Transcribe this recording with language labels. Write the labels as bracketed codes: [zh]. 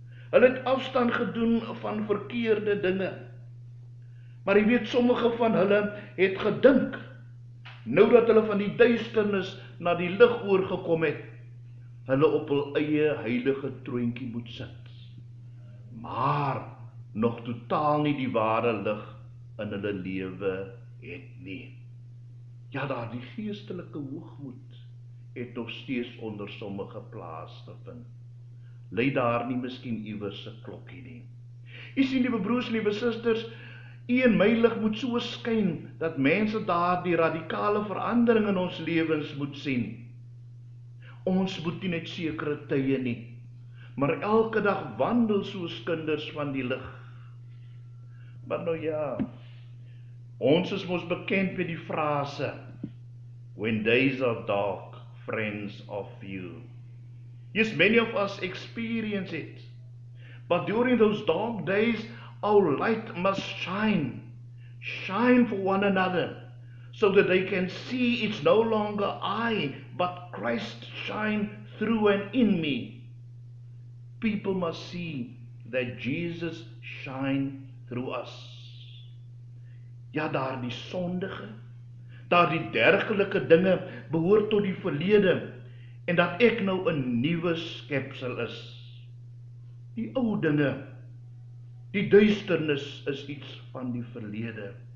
[af] Hulle het afstand gedoen van verkeerde dinge. Maar jy weet, sommige van hulle het gedink, nou dat hulle van die duisternis na die lig oorgekom het, hulle op hul eie heilige troontjie moet sit, maar nog totaal nie die ware lig in hulle lewe het nie. Ja, daar die geestelike hoogmoed het nog steeds onder sommige plaas te vind. Lei daar nie miskien iewers 'n klokkie nie? U sien, liewe broers, liewe susters, U en my lig moet so skyn dat mense daar die radikale verandering in ons lewens moet sien. Ons moet nie net sekere tye nie, maar elke dag wandel soos kinders van die lig. Maar nou ja, ons is mos bekend met die frase, [en] when days are dark, friends are few. Yes, many of us experience it, but during those dark days, our light must shine for one another, so that they can see it's no longer I, but Christ shine through and in me. People must see that Jesus shine through us. [af] Ja, daar die sondige, daar die dergelike dinge behoort tot die verlede, en dat ek nou 'n nuwe skepsel is. Die ou dinge, die duisternis is iets van die verlede.